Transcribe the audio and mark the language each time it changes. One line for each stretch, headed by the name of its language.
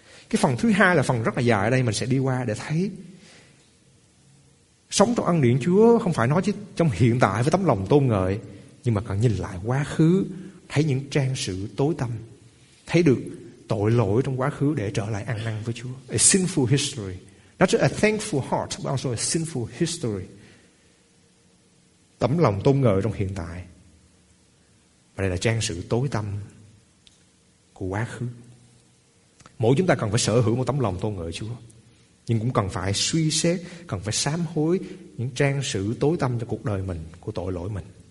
Vietnamese: Cái phần thứ hai là phần rất là dài ở đây, mình sẽ đi qua để thấy sống trong ân điển Chúa không phải nói chứ trong hiện tại với tấm lòng tôn ngợi, nhưng mà cần nhìn lại quá khứ, thấy những trang sử tối tăm, thấy được tội lỗi trong quá khứ để trở lại ăn năn với Chúa.
English: A sinful history, not just a thankful heart but also a sinful history.
Vietnamese: Tấm lòng tôn ngợi trong hiện tại và đây là trang sử tối tăm của quá khứ. Mỗi chúng ta cần phải sở hữu một tấm lòng tôn ngợi Chúa, nhưng cũng cần phải suy xét, cần phải sám hối những trang sử tối tăm cho cuộc đời mình, của tội lỗi mình.